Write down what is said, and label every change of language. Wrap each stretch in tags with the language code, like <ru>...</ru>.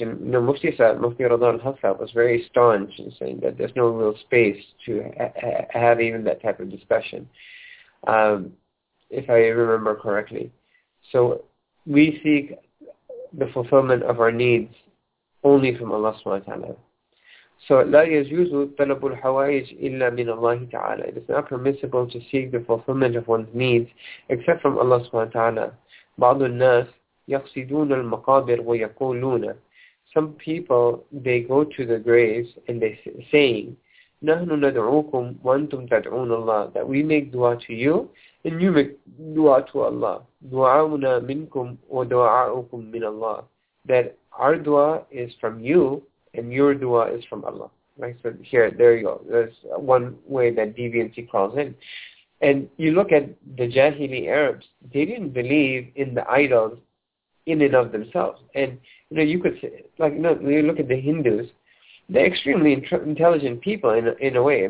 <en>And, you know, Mufti Radha al-Hafsa was very staunch in saying that there's no real space to have even that type of discussion, if I remember correctly. So we seek the fulfillment of our needs only from Allah subhanahu wa ta'ala.</en> <ar>So لا يجوز طلب الحوائج إلا من الله تعالى.</ar> <en>It is not permissible to seek the fulfillment of one's needs except from Allah subhanahu wa ta'ala.</en> <ar>بعض الناس يقصدون المقابر ويقولون.</ar> <en>Some people, they go to the graves and they say,</en> <ar>نحن ندعوكم وأنتم تدعون الله.</ar> <en>That we make dua to you and you make dua to Allah.</en> <ar>دعاؤنا منكم ودعاؤكم من الله.</ar> <en>That our dua is from you and your dua is from Allah. Right? So here, there you go. There's one way that deviancy crawls in. And you look at the Jahili Arabs, they didn't believe in the idols in and of themselves. And, you know, you could say, like, you know, you look at the Hindus, they're extremely intelligent people in a way.</en>